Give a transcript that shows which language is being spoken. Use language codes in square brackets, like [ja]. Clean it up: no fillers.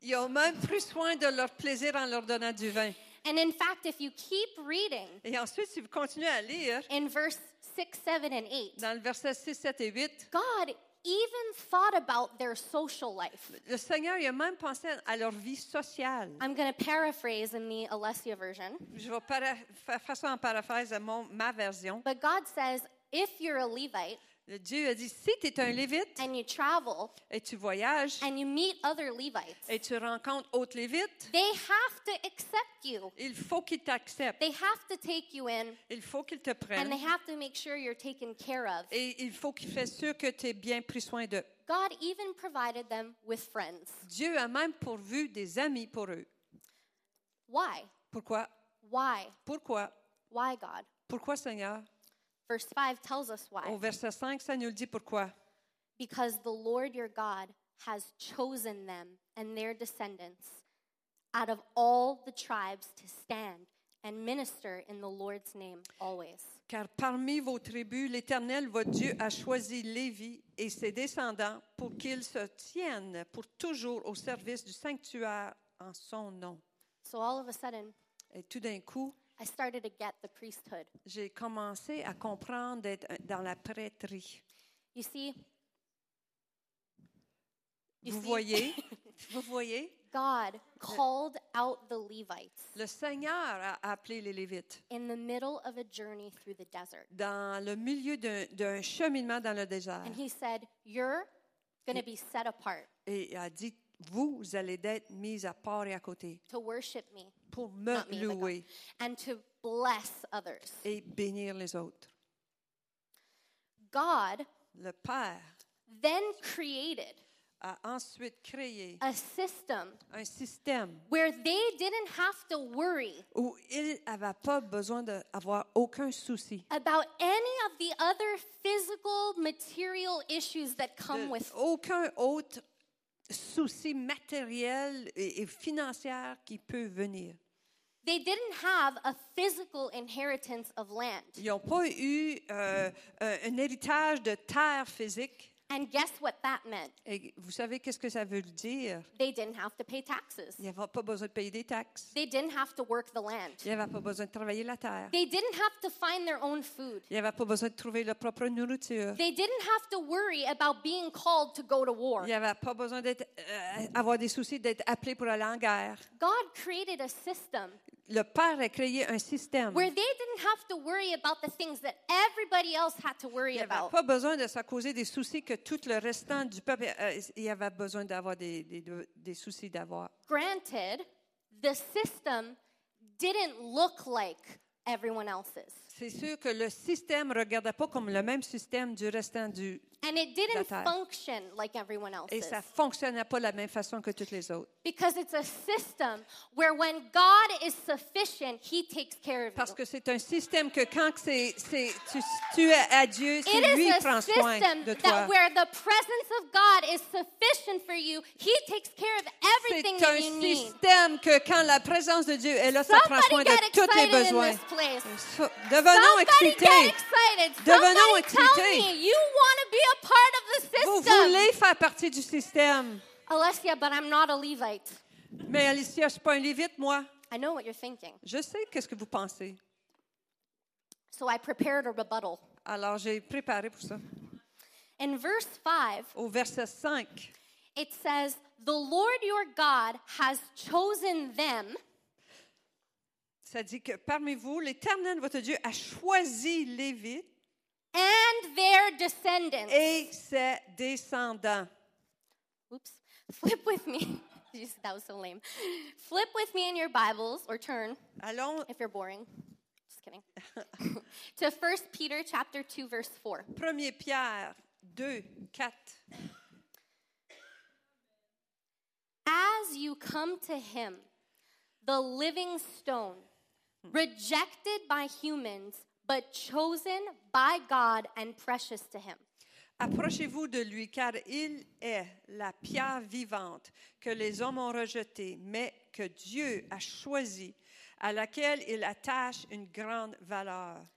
[fr] Il a même pris soin de leur plaisir en leur donnant du vin. [en] And in fact, if you keep reading, [fr] et ensuite, si vous continuez à lire, [en] in verse 6, 7, and 8, [fr] dans le verset 6, 7 et 8, [en] God even thought about their social life. [fr] Le Seigneur, il a même pensé à leur vie sociale. [en] I'm going to paraphrase in the Alessia version. [fr] Je vais faire ça en paraphrase à ma version. [en] But God says, if you're a Levite, [fr] Dieu a dit, si tu es un Lévite, [en] and you travel, [fr] et tu voyages, [en] and you meet other Levites, [fr] et tu rencontres autres Lévites, [en] they have to accept you. [fr] Il faut qu'ils t'acceptent. [en] They have to take you in. [fr] Il faut qu'ils te prennent. [en] And they have to make sure you're taken care of. [fr] Et il faut qu'ils fassent sûr que tu es bien pris soin d'eux. [en] God even provided them with friends. [fr] Dieu a même pourvu des amis pour eux. [en] Why? [fr] Pourquoi? [en] Why? [fr] Pourquoi? [en] Why, God? [fr] Pourquoi, Seigneur? [en] Verse 5 tells us why. [fr] Au verset 5, ça nous le dit pourquoi. [en] Because the Lord your God has chosen them and their descendants out of all the tribes to stand and minister in the Lord's name always. [fr] Car parmi vos tribus, l'Éternel, votre Dieu, a choisi Lévi et ses descendants pour qu'ils se tiennent pour toujours au service du sanctuaire en son nom. [en] So all of a sudden, [fr] et tout d'un coup, [en] I started to get the priesthood. [fr] J'ai commencé à comprendre d'être dans la prêtrie. [en] You see? [fr] Vous voyez? [en] God called out the Levites. [fr] Le Seigneur a appelé les Lévites. [en] In the middle of a journey through the desert. [fr] Dans le milieu d'un cheminement dans le désert. [en] And he said, you're going to be set apart. [fr] Et il a dit, vous allez être mis à part et à côté. [en] To worship me. [fr] Pour me louer. [en] And to bless others. [fr] Et bénir les autres. [en] God, [fr] le Père, [en] then created [fr] a ensuite créé [en] a system, [fr] un système [en] where they didn't have to worry [fr] où ils n'avaient pas besoin d'avoir aucun souci [en] about any of the other physical, material issues that come with [fr] aucun autre souci matériel et financier qui peut venir. [en] They didn't have a physical inheritance of land. [fr] Ils n'ont pas eu un héritage de terre physique. [en] And guess what that meant? [fr] Et vous savez qu'est-ce que ça veut dire? [en] They didn't have to pay taxes. [fr] Ils n'avaient pas besoin de payer des taxes. [en] They didn't have to work the land. [fr] Ils n'avaient pas besoin de travailler la terre. [en] They didn't have to find their own food. [fr] Ils n'avaient pas besoin de trouver leur propre nourriture. [en] They didn't have to worry about being called to go to war. [fr] Ils n'avaient pas besoin d'être avoir des soucis d'être appelé pour aller en guerre. [en] God created a system. [fr] Le Père a créé un système. [en] Where they didn't have to worry about the things that everybody else had to worry about. [fr] Ils n'avaient pas besoin de se causer des soucis que tout le restant du peuple avait besoin d'avoir des soucis d'avoir. [en] Granted, the system didn't look like everyone else's. [fr] C'est sûr que le système ne regardait pas comme le même système du restant du [en] and it didn't function like everyone else's. [fr] Et ça fonctionnait pas de la même façon que toutes les autres. [en] Because it's a system where when God is sufficient, he takes care of you. [fr] Parce que c'est un système que quand tu es à Dieu, c'est lui qui prend soin de toi. [en] It is a system that where the presence of God is sufficient for you, he takes care of everything that you need. [fr] C'est un système que quand la présence de Dieu est là, ça prend soin de tous tes besoins. Devenons excités. Devenons excités. [en] Be a part of the system. [fr] Vous voulez faire partie du système. [en] Alessia, but I'm not a Levite. [fr] Mais Alessia, je suis pas un Lévite, moi. [en] I know what you're thinking. [fr] Je sais qu'est-ce que vous pensez. [en] So I prepared a rebuttal. [fr] Alors j'ai préparé pour ça. [en] In verse 5, [fr] au verset 5, [en] it says, "The Lord your God has chosen them." [fr] Ça dit que parmi vous, l'Éternel votre Dieu a choisi Lévite. [en] And their descendants. [fr] Et ses descendants. [en] Oops. Flip with me. That was so lame. Flip with me in your Bibles, or turn. [fr] Allons. [en] If you're boring. Just kidding. To 1 Peter chapter 2, verse 4. [fr] 1 Pierre 2:4. [en] As you come to him, the living stone, rejected by humans, but chosen by God and precious to him. [fr] Approchez-vous de lui, car il est la pierre vivante que les hommes ont rejetée, mais que Dieu a choisie, à laquelle il attache une grande valeur.